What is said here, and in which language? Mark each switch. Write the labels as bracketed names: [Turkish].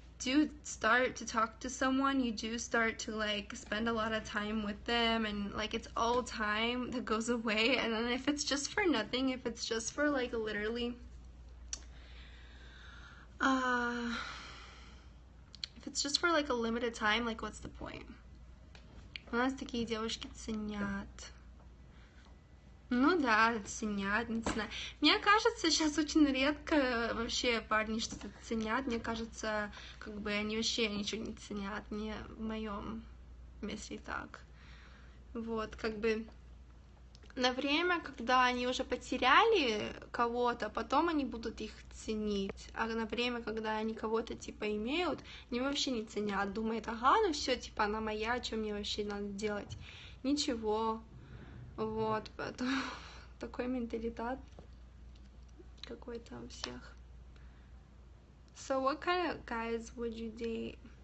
[English] do start to talk to someone, you do start to like spend a lot of time with them, and like it's all time that goes away. And then if it's just for nothing, if it's just for like literally, if it's just for like a limited time, like what's the point? [Russian] У нас такие девушки ценят. Ну да, ценят, не знаю. Мне кажется, сейчас очень редко вообще парни что-то ценят. Мне кажется, как бы они вообще ничего не ценят. Не в моем месте так. Вот, как бы на время, когда они уже потеряли кого-то, потом они будут их ценить. А на время, когда они кого-то типа имеют, они вообще не ценят. Думают, ага, ну все, типа она моя, что мне вообще надо делать? Ничего. Вот, поэтому такой менталитет какой-то у всех. [English] So what kind of guys would you date?